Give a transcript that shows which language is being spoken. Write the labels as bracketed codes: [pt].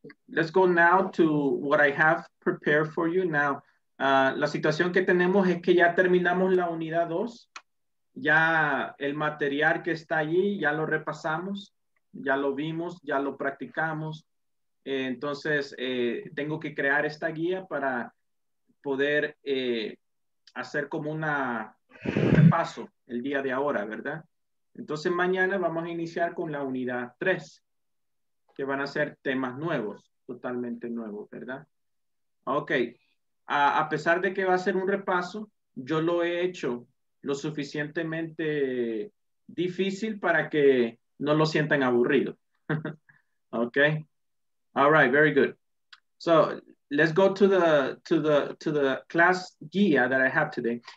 [en] Let's go now to what I have prepared for you now. [es] La situación que tenemos es que ya terminamos la unidad 2. Ya el material que está allí, ya lo repasamos, ya lo vimos, ya lo practicamos. Entonces, tengo que crear esta guía para poder hacer como un repaso el día de ahora, ¿verdad? Entonces, mañana vamos a iniciar con la unidad 3. Que van a ser temas nuevos, totalmente nuevos, ¿verdad? Ok, a pesar de que va a ser un repaso, yo lo he hecho lo suficientemente difícil para que no lo sientan aburrido. [en] Ok, all right, very good. So, let's go to the class guía that I have today.